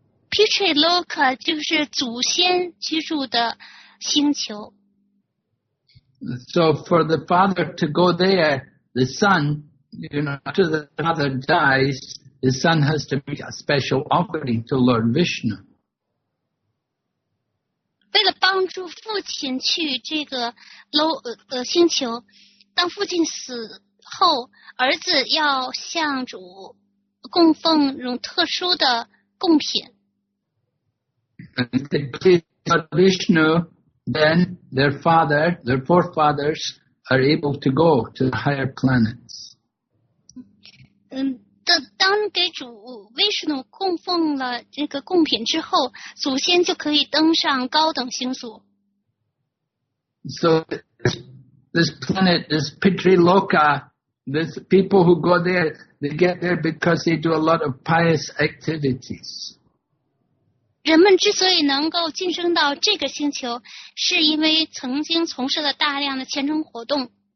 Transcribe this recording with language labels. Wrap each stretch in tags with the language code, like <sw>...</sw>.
<zh>Pitriloka 就是祖先居住的星球。</zh> <en>So for the father to go there, the son, you know, after the father dies, the son has to make a special offering to Lord Vishnu.</en> <zh>为了帮助父亲去这个星球，当父亲死后，儿子要向主供奉那种特殊的贡品。</zh> <en>And they please Lord Vishnu, then their father, their forefathers are able to go to the higher planets.</en> <zh>当给主 Vishnu 供奉了这个贡品之后，祖先就可以登上高等星宿。</zh> <en>So this planet, this Pitriloka, this people who go there, they get there because they do a lot of pious activities.</en> <zh>人们之所以能够晋升到这个星球，是因为曾经从事了大量的虔诚活动。</zh>